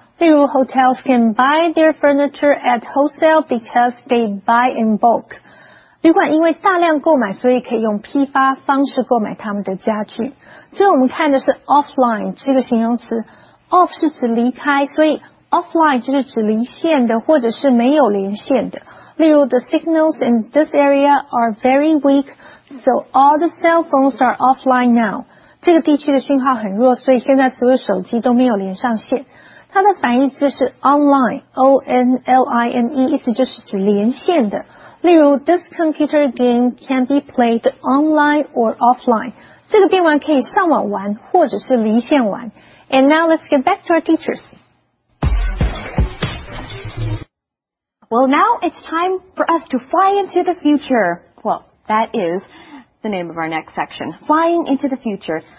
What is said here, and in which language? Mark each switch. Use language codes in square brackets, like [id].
[zh] 例如 [en] hotels can buy their furniture at wholesale because they buy in bulk. [zh] 旅馆因为大量购买，所以可以用批发方式购买他们的家具。最后我们看的是 offline 这个形容词。off 是指离开，所以 offline 就是指离线的或者是没有连线的。例如 [en] the signals in this area are very weak, so all the cell phones are offline now. [zh] 这个地区的讯号很弱，所以现在所有手机都没有连上线。它的反义词是 online, O-N-L-I-N-E, 意思就是指连线的。例如 [en] ,this computer game can be played online or offline. [zh] 这个电玩可以上网玩或者是离线玩。 [en] And now let's get back to our teachers. Well, now it's time for us to fly into the future. Well, that is the name of our next section, Flying into the Future.